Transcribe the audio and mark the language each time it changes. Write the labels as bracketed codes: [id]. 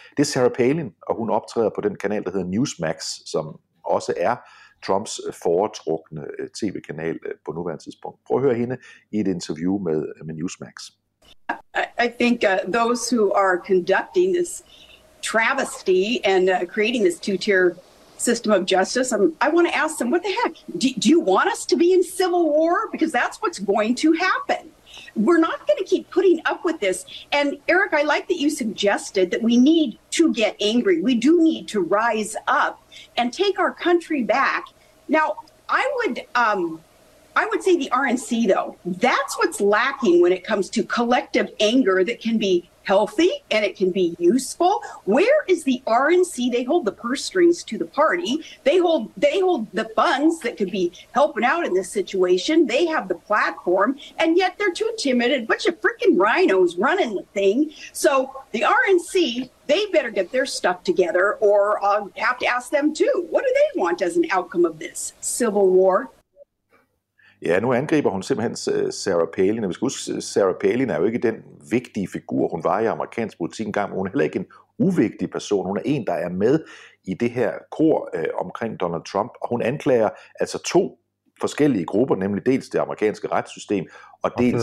[da] Det er Sarah Palin, og hun optræder på den kanal, der hedder Newsmax, som også er Trumps foretrukne tv-kanal på nuværende tidspunkt. Prøv at høre hende i et interview med Newsmax. [en] I think those who are conducting this travesty and creating this two-tier system of justice, I want to ask them, what the heck? Do you want us to be in civil war? Because that's what's going to happen. We're not going to keep putting up with this. And Eric, I like that you suggested that we need to get angry. We do need to rise up and take our country back. Now, I would say the RNC, though, that's what's lacking when it comes to collective anger that can be healthy and it can be useful. Where is the RNC? They hold the purse strings to the party. They hold the funds that could be helping out in this situation. They have the platform, and yet they're too timid. A bunch of freaking rhinos running the thing. So the RNC, they better get their stuff together, or I'll have to ask them too. What do they want as an outcome of this civil war? [da] Ja, nu angriber hun simpelthen Sarah Palin. Vi skal huske, Sarah Palin er jo ikke den vigtige figur, hun var i amerikansk politik engang, men hun er heller ikke en uvigtig person. Hun er en, der er med i det her kor omkring Donald Trump, og hun anklager altså to forskellige grupper, nemlig dels det amerikanske retssystem, og dels